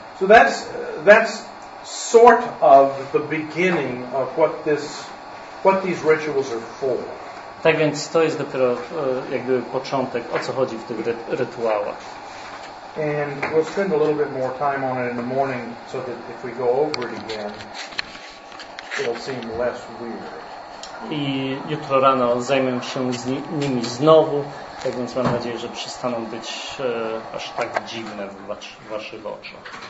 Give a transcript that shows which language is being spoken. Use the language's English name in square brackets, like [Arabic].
[English] So that's sort of the beginning of what these rituals are for. [Polish] Tak więc to jest dopiero jakby początek, o co chodzi w tych rytuałach. [English] And we'll spend a little bit more time on it in the morning so that if we go over it again, it'll seem less weird. [Polish] I jutro rano zajmę się z nimi znowu, tak więc mam nadzieję, że przestaną być aż tak dziwne w waszych oczach.